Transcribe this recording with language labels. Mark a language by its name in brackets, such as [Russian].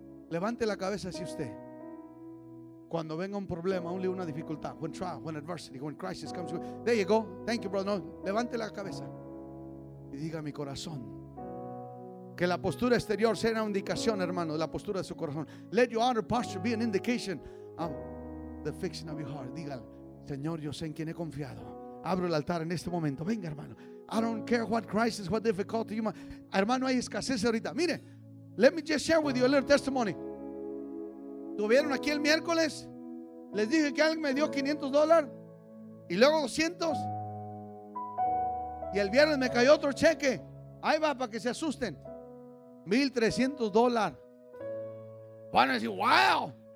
[Spanish] Levante la cabeza si usted. Cuando venga un problema, only una dificultad. [English] When trial, when adversity, when crisis comes. There you go. Thank you, brother. [Spanish] No, levante la cabeza. Y diga mi corazón. Que la postura exterior sea una indicación, hermano, de la postura de su corazón. [English] Let your outer posture be an indication of the fixing of your heart. [Spanish] Dígale, Señor, yo sé en quién he confiado. Abro el altar en este momento. Venga, hermano. [English] I don't care what crisis, what difficulty you might. [Spanish] Hermano, hay escasez ahorita. Mire, [English] let me just share with you a little testimony. [Spanish] Tuvieron aquí el miércoles. Les dije que alguien me dio $500 y luego 200. Y el viernes me cayó otro cheque. Ahí va, para que se asusten. $1,300. Van a decir, wow.